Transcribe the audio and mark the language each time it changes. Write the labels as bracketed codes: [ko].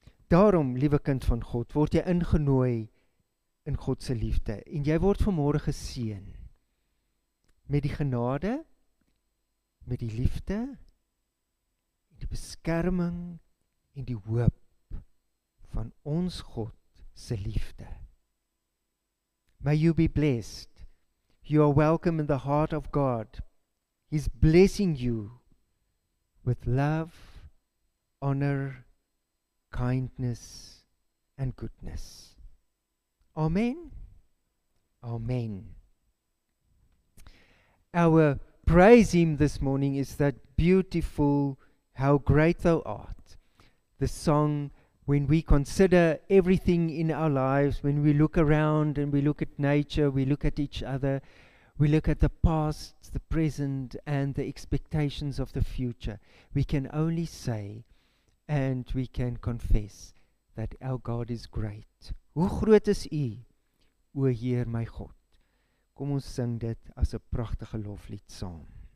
[af] Daarom, liewe kind van God, word jy ingenooi in God se liefde en jy word vanmôre geseën met die genade, met die liefde, die beskerming en die hoop van ons God se liefde. [en] May you be blessed. You are welcome in the heart of God. He's blessing you with love, honor, kindness, and goodness. Amen. Amen. Our praise hymn this morning is that beautiful, "How Great Thou Art," the song. When we consider everything in our lives, when we look around and we look at nature, we look at each other, we look at the past, the present, and the expectations of the future, we can only say and we can confess that our God is great. [af] Hoe groot is U, o Heer my God? Kom ons sing dit as 'n pragtige loflied saam.